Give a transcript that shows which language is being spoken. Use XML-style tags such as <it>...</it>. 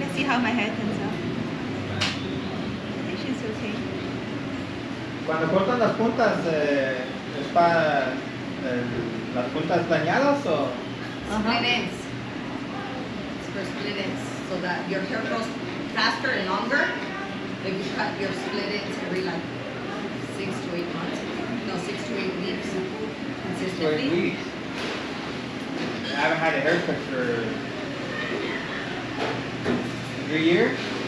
<en>Let's see how my hair turns out. I think she's okay.</en> <es>Cuando cortan las puntas, es para las puntas dañadas o</es> <en>split ends. It's for split ends, so that your hair grows faster and longer. If you cut your split ends every like 6 to 8 months, no, 6 to 8 weeks consistently. 6 to 8 weeks. I haven't had a haircut for 3 years.</en>